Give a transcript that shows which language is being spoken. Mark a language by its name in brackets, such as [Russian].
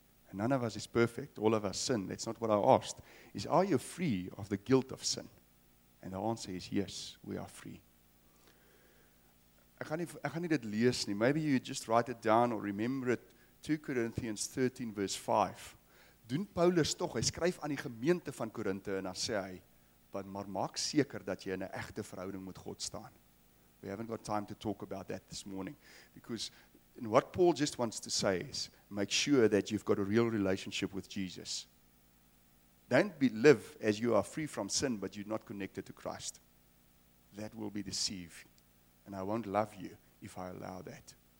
[English] And none of us is perfect. All of us sin. That's not what I asked. Is, are you free of the guilt of sin? And the answer is, yes, we are free. I can't even [Afrikaans] lees nie. [English] Maybe you just write it down or remember it. 2 Corinthians 13 verse 5. [Afrikaans] Doen Paulus toch, hy skryf aan die gemeente van Korinthe en dan sê hy, maar maak seker dat jy in 'n echte verhouding met God staan. [English] We haven't got time to talk about that this morning. Because and what Paul just wants to say is, make sure that you've got a real relationship with Jesus. Don't live as you are free from sin, but you're not connected to Christ. That will be deceived. And I won't love you if I allow that.